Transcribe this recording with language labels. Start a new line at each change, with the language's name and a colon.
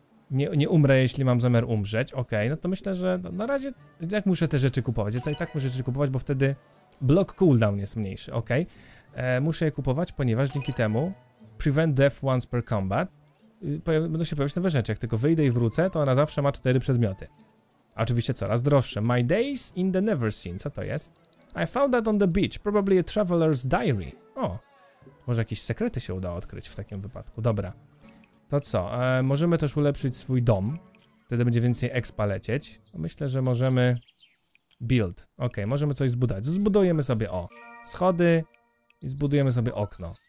Polish: Nie umrę, jeśli mam zamiar umrzeć. Okej, no to myślę, że na razie jak muszę te rzeczy kupować. Ja co, i tak muszę rzeczy kupować, bo wtedy blok cooldown jest mniejszy. Okej, muszę je kupować, ponieważ dzięki temu prevent death once per combat będą się pojawiać nowe rzeczy. Jak tylko wyjdę i wrócę, to ona zawsze ma 4 przedmioty. Oczywiście coraz droższe.
English: My days in the never seen.
Polish: Co to jest?
English: I found that on the beach. Probably a traveler's diary.
Polish: O, może jakieś sekrety się uda odkryć w takim wypadku. Dobra. To co? Możemy też ulepszyć swój dom. Wtedy będzie więcej expa lecieć. Myślę, że możemy... Build. Ok, możemy coś zbudować. Zbudujemy sobie, o, schody i zbudujemy sobie okno.